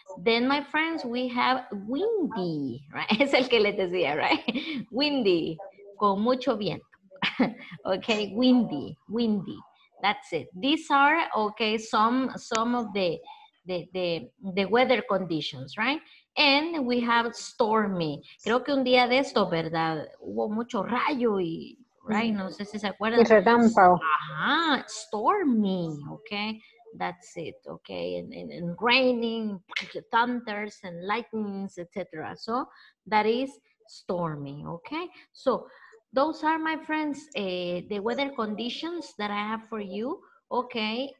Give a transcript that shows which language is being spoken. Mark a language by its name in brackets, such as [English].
[English] Then, my friends, we have windy, right, [Spanish] es el que les decía, [English] right, windy, [Spanish] con mucho viento, [English] okay, windy, that's it. These are, okay, some of the weather conditions, right, and we have stormy. [Spanish] Creo que un día de esto, verdad, hubo mucho rayo y... Right, no sé si se acuerdan. Y relámpago. [English] Ajá, stormy, okay, that's it, okay, and raining, thunders, and lightnings, etc. So, that is stormy, okay? So, those are, my friends, the weather conditions that I have for you, okay?